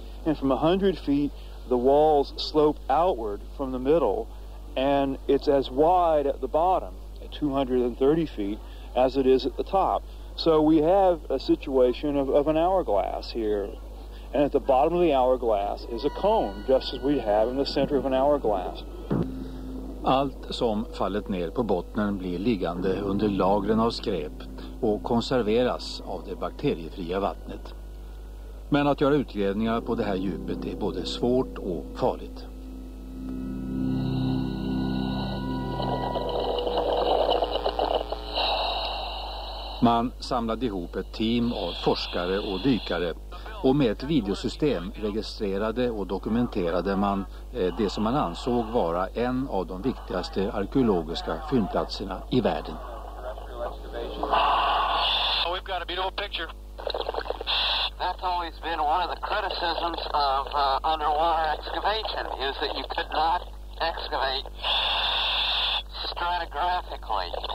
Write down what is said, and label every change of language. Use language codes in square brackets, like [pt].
[en] And from 100 feet, the walls slope outward from the middle, and it's as wide at the bottom, at 230 feet, as it is at the top. So we have a situation of an hourglass here. And at the bottom of the hourglass is a cone, just as we have in the center of an hourglass. [sv] Allt som fallit ner på botten blir liggande under lagren av skräp och konserveras av det bakteriefria vattnet. Men att göra utgrävningar på det här djupet är både svårt och farligt. Man samlade ihop ett team av forskare och dykare och med ett videosystem registrerade och dokumenterade man det som man ansåg vara en av de viktigaste arkeologiska fyndplatserna i världen. [en] We've got a beautiful picture. That's always been one of the criticisms of underwater excavation, is that you could not excavate stratigraphically.